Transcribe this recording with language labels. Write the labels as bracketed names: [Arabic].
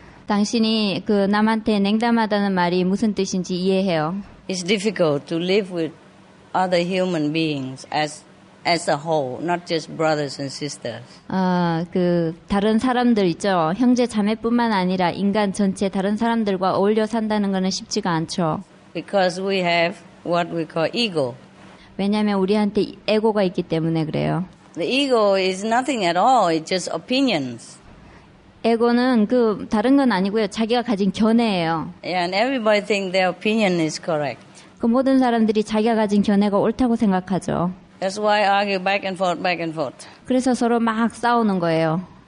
[Korean] 당신이 그 남한테 냉담하다는 말이 무슨 뜻인지 이해해요. [English] It's difficult to live with other human beings as a whole, not just brothers and sisters. [Korean] 그 다른 사람들 있죠. 형제 자매뿐만 아니라 인간 전체 다른 사람들과 어울려 산다는 것은 쉽지가 않죠. [English] Because we have what we call ego. [Korean] 왜냐하면 우리한테 에고가 있기 때문에 그래요. [English] The ego is nothing at all. It's just opinions. [Korean] 에고는 그 다른 건 아니고요. 자기가 가진 견해예요. [English] Yeah, and everybody thinks their opinion is correct. [Korean] 그 모든 사람들이 자기가 가진 견해가 옳다고 생각하죠. [English] That's why I argue back and forth, back and forth. [Korean] 그래서 서로 막 싸우는 거예요.